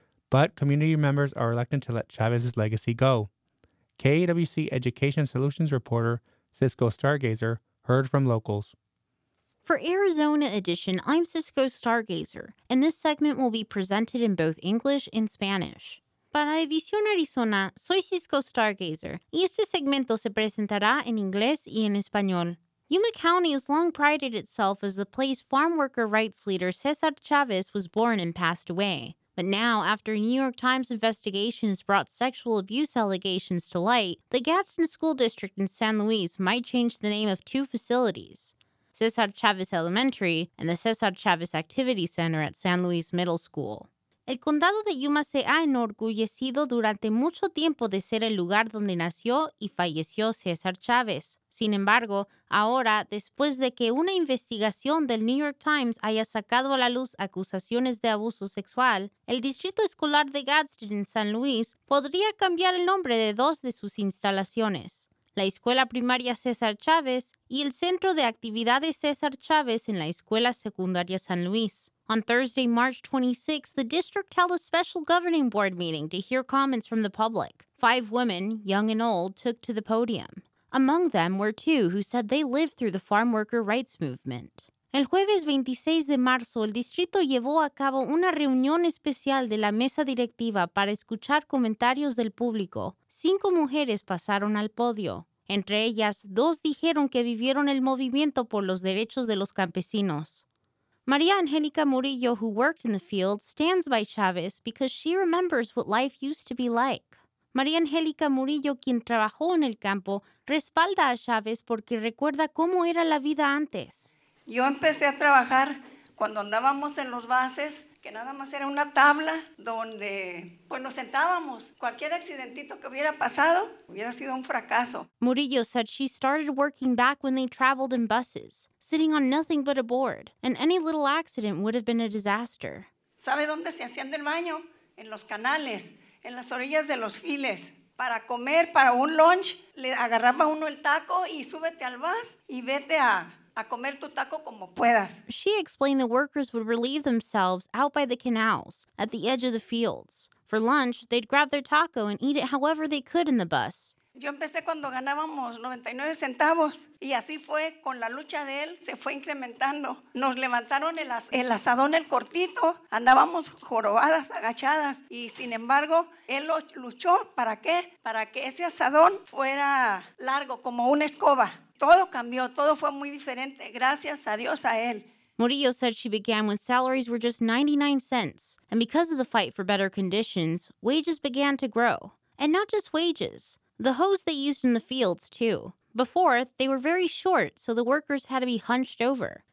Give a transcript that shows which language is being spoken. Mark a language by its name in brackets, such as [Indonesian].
[English] But community members are reluctant to let Chavez's legacy go. KAWC Education Solutions reporter Cisco Stargazer heard from locals. For Arizona Edition, I'm Cisco Stargazer, and this segment will be presented in both English and Spanish. [Spanish] Para Edición Arizona, soy Cisco Stargazer, y este segmento se presentará en inglés y en español. [English] Yuma County has long prided itself as the place farm worker rights leader Cesar Chavez was born and passed away. But now, after New York Times investigations brought sexual abuse allegations to light, the Gadsden School District in San Luis might change the name of two facilities: Cesar Chavez Elementary, and the Cesar Chavez Activity Center at San Luis Middle School. [Spanish] El condado de Yuma se ha enorgullecido durante mucho tiempo de ser el lugar donde nació y falleció Cesar Chavez. Sin embargo, ahora, después de que una investigación del New York Times haya sacado a la luz acusaciones de abuso sexual, el Distrito Escolar de Gadsden en San Luis podría cambiar el nombre de dos de sus instalaciones: la Escuela Primaria César Chávez y el Centro de Actividades César Chávez en la Escuela Secundaria San Luis. [English] On Thursday, March 26, the district held a special governing board meeting to hear comments from the public. Five women, young and old, took to the podium. Among them were two who said they lived through the farm worker rights movement. [Spanish] El jueves 26 de marzo, el distrito llevó a cabo una reunión especial de la mesa directiva para escuchar comentarios del público. Cinco mujeres pasaron al podio. Entre ellas, dos dijeron que vivieron el movimiento por los derechos de los campesinos. [English] María Angélica Murillo, who worked in the field, stands by Chavez because she remembers what life used to be like. [Spanish] María Angélica Murillo, quien trabajó en el campo, respalda a Chavez porque recuerda cómo era la vida antes. Yo empecé a trabajar cuando andábamos en los bases, que nada más era una tabla donde pues nos sentábamos. Cualquier accidentito que hubiera pasado hubiera sido un fracaso. [English] Murillo said she started working back when they traveled in buses, sitting on nothing but a board, and any little accident would have been a disaster. [Spanish] ¿Sabe dónde se hacían del baño? En los canales, en las orillas de los files. Para comer, para un lunch, le agarraba uno el taco y súbete al bus y vete a a comer tu taco como puedas. [English] She explained the workers would relieve themselves out by the canals, at the edge of the fields. For lunch, they'd grab their taco and eat it however they could in the bus. [Spanish] Yo empecé cuando ganábamos 99 centavos. Y así fue, con la lucha de él, se fue incrementando. Nos levantaron el asadón, el cortito. Andábamos jorobadas, agachadas. Y sin embargo, él luchó, ¿para qué? Para que ese asadón fuera largo, como una escoba. Todo cambió, todo fue muy diferente. Gracias a Dios a él. [English] Murillo said she began when salaries were just 99 cents. And because of the fight for better conditions, wages began to grow. And not just wages. The hose they used in the fields, too. Before, they were very short, so the workers had to be hunched over.